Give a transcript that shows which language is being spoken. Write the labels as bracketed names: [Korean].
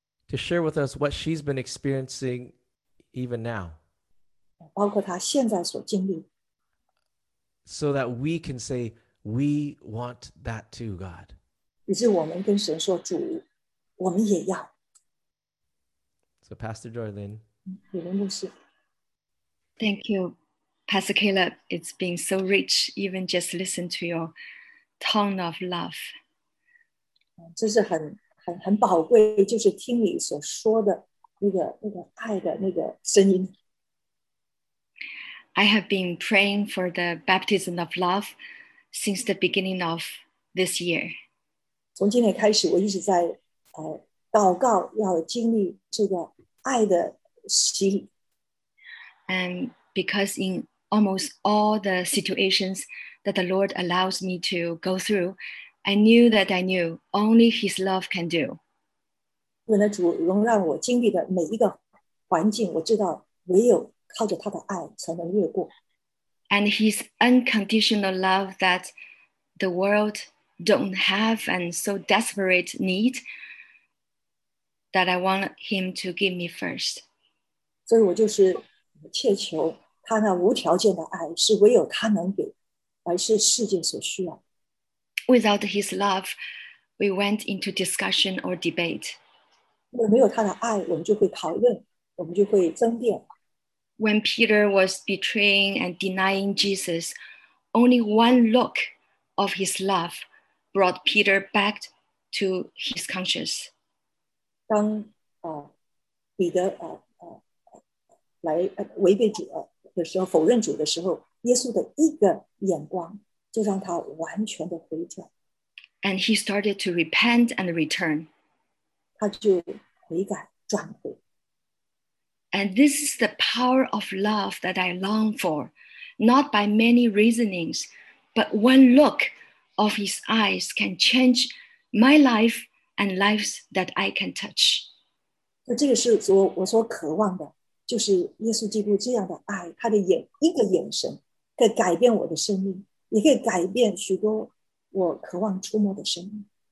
[English] To share with us what she's been experiencing even now. [Chinese] 包括她现在所经历。 [English] So that we can say, we want that too, God. [Chinese] 以致我们跟神说，主，我们也要。 [English] So Pastor Joy Lin. [Chinese] 李林牧师。 [English] Thank you, Pastor Caleb. It's been so rich, even just listen to your tone of love. [Chinese] 这是很宝贵，就是听你所说的那个爱的那个声音。 [English] I have been praying for the baptism of love since the beginning of this year. [Chinese] 从今天开始，我一直在祷告要经历这个爱的洗礼。 [English] And because in almost all the situations that the Lord allows me to go through, I knew that I knew only His love can do. [Chinese] 因为主容让我经历的每一个环境，我知道唯有靠着他的爱才能越过。 [English] And His unconditional love that the world don't have and so desperate need that I want Him to give me first. [Chinese] 所以我就是切求他那无条件的爱，是唯有他能给，而是世界所需要。 [English] Without His love, we went into discussion or debate. [Chinese] 如果没有他的爱，我们就会讨论，我们就会争辩。 [English] When Peter was betraying and denying Jesus, only one look of his love brought Peter back to his conscience. [Chinese] 当彼得来违背主的时候，否认主的时候，耶稣的一个眼光就让他完全的回转。 [English] And he started to repent and return. [Chinese] 他就悔改转回。 [English] And this is the power of love that I long for, not by many reasonings, but one look of his eyes can change my life and lives that I can touch. [Chinese] 这个是我所渴望的，就是耶稣基督这样的爱，他的一个眼神可以改变我的生命，也可以改变许多我渴望触摸的生命。